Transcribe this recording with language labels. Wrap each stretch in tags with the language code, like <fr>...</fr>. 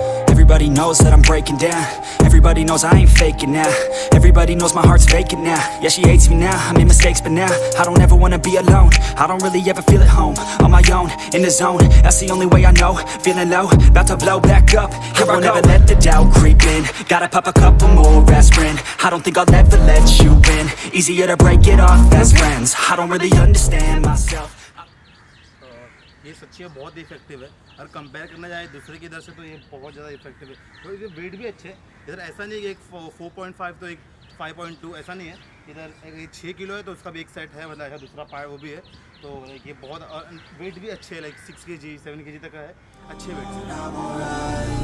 <en>Everybody knows that I'm breaking down. Everybody knows I ain't faking now. Everybody knows my heart's faking now. Yeah, she hates me now. I made mistakes, but now I don't ever wanna be alone. I don't really ever feel at home. On my own, in the zone. That's the only way I know. Feeling low, about to blow back up. Here I go. Never let the doubt creep in. Gotta pop a couple more aspirin. I don't think I'll ever let you in. Easier to break it off as friends. I don't really understand myself.</en> <hi>ये सच्ची है, बहुत effective है। अगर compare करना जाए दूसरे की इधर से तो ये बहुत ज़्यादा इफेक्टिव है। तो इधर वेट भी अच्छे है, इधर ऐसा नहीं है कि एक 4.5 तो एक 5.2 ऐसा नहीं है। इधर एक 6 किलो है तो उसका भी एक सेट है, मतलब ऐसा दूसरा पार्ट वो भी है। तो लाइक ये बहुत वेट भी अच्छे है, लाइक 6 kg 7 kg तक का है, अच्छे वेट।</hi>